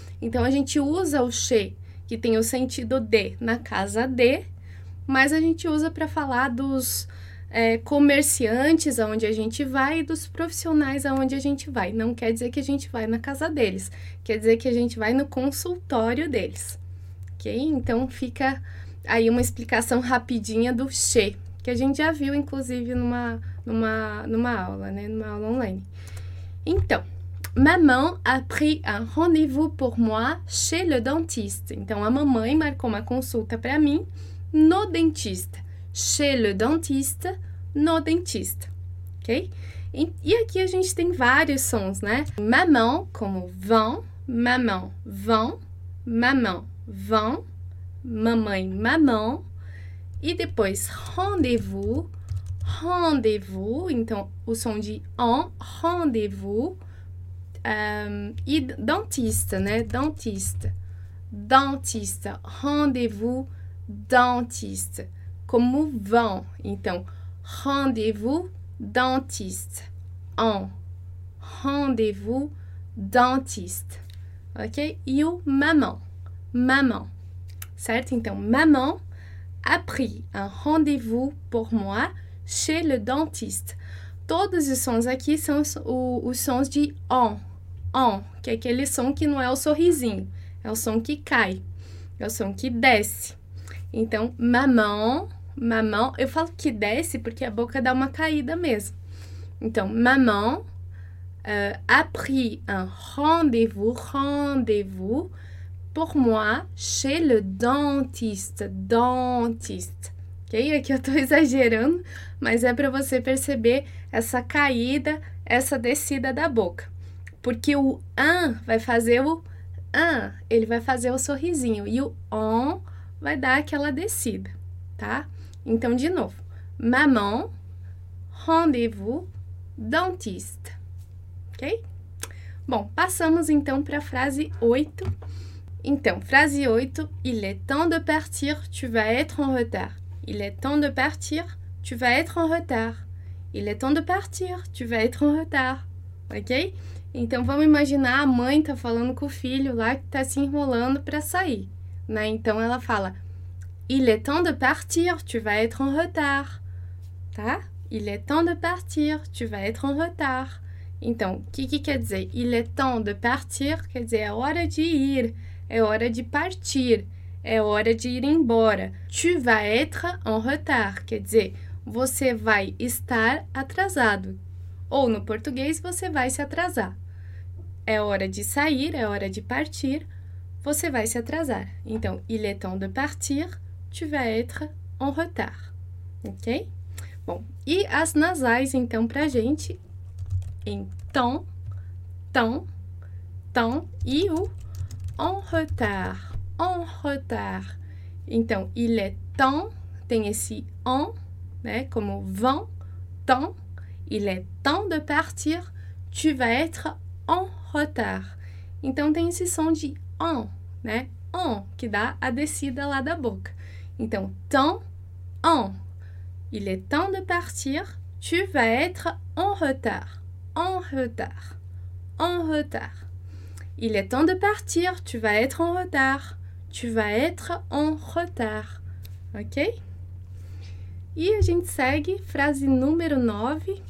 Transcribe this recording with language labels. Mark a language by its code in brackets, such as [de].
[pt] Então, a gente usa o chez, que tem o sentido de, na casa de, mas a gente usa para falar dos comerciantes aonde a gente vai e dos profissionais aonde a gente vai. Não quer dizer que a gente vai na casa deles, quer dizer que a gente vai no consultório deles, ok? Então, fica aí uma explicação rapidinha do chez, que a gente já viu, inclusive, numa aula, né? Numa aula online. [fr] Então, maman a pris un rendez-vous pour moi chez le dentiste. [pt] Então, a mamãe marcou uma consulta para mim no dentista. [fr] Chez le dentiste, [pt] no dentista. [fr] Ok? [pt] E aqui a gente tem vários sons, né? Maman, como vent, maman, vent, maman, vent, mamãe, maman. E depois, rendez-vous. Rendezvous, então o som de en, rendezvous, e dentista, né? Dentista. Dentista, rendezvous, dentista. Como vão, então rendezvous, dentista. En, rendezvous, dentista. Ok? E o maman, maman, certo? [fr] Então, maman a pris un rendez-vous pour moi. Chez le dentiste. [pt] Todos os sons aqui são os sons de on. On, que é aquele som que não é o sorrisinho. É o som que cai. É o som que desce. Então, maman, maman, eu falo que desce porque a boca dá uma caída mesmo. [fr] Então, maman a pris un rendez-vous pour moi chez le dentiste. Dentiste. Ok? [pt] Aqui eu tô exagerando, mas é para você perceber essa caída, essa descida da boca. Porque o un vai fazer o un, ele vai fazer o sorrisinho. E o on vai dar aquela descida, tá? Então, de novo. Maman, rendez-vous, dentiste. Ok? Bom, passamos então para a frase 8. Então, frase 8. [fr] Il est temps de partir, tu vas être en retard. Il est temps de partir, tu vas être en retard. Il est temps de partir, tu vas être en retard. Ok? [pt] Então, vamos imaginar a mãe tá falando com o filho lá que tá se enrolando para sair, né? Então, ela fala: [fr] Il est temps de partir, tu vas être en retard. Tá? Il est temps de partir, tu vas être en retard. [pt] Então, o que que quer dizer? [fr] Il est temps de partir, [pt] quer dizer, é hora de ir, é hora de partir, é hora de ir embora. [fr] Tu vas être en retard, [pt] quer dizer, você vai estar atrasado. Ou no português, você vai se atrasar. É hora de sair, é hora de partir, você vai se atrasar. [fr] Então, il est temps de partir, tu vas être en retard. [pt] Ok? Bom, e as nasais, então, pra gente? Então, tão, tão e o en retard, en retard. Então, [fr] il est temps, [pt] tem esse en, né, como vão, tão. [fr] Il est temps de partir, tu vas être en retard. [pt] Então, tem esse som de en, né, en, que dá a descida lá da boca. Então, tão, en. [fr] Il est temps de partir, tu vas être en retard. En retard, en retard. Il est temps de partir, tu vas être en retard. Tu vas être en retard. Ok? [pt] E a gente segue, frase número 9.